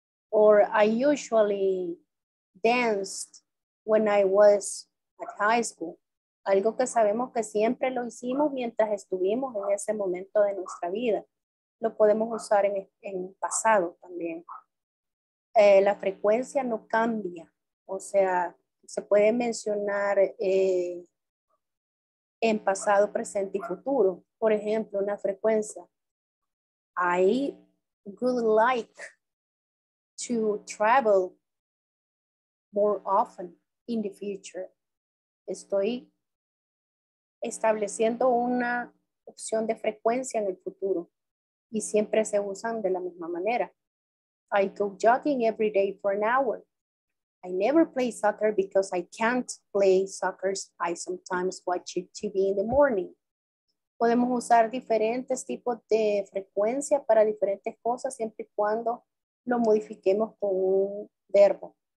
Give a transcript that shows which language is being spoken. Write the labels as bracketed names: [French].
[English] Or I usually danced when I was at high school. [Spanish] Algo que sabemos que siempre lo hicimos mientras estuvimos en ese momento de nuestra vida. Lo podemos usar en pasado también. La frecuencia no cambia. O sea, se puede mencionar en pasado, presente y futuro. Por ejemplo, una frecuencia. [English] I would like to travel more often in the future. [Spanish] Estoy estableciendo una opción de frecuencia en el futuro y siempre se usan de la misma manera. [English] I go jogging every day for an hour. I never play soccer because I can't play soccer. I sometimes watch TV in the morning. [Spanish] Podemos usar diferentes tipos de frecuencia para diferentes cosas siempre y cuando lo modifiquemos con un verbo.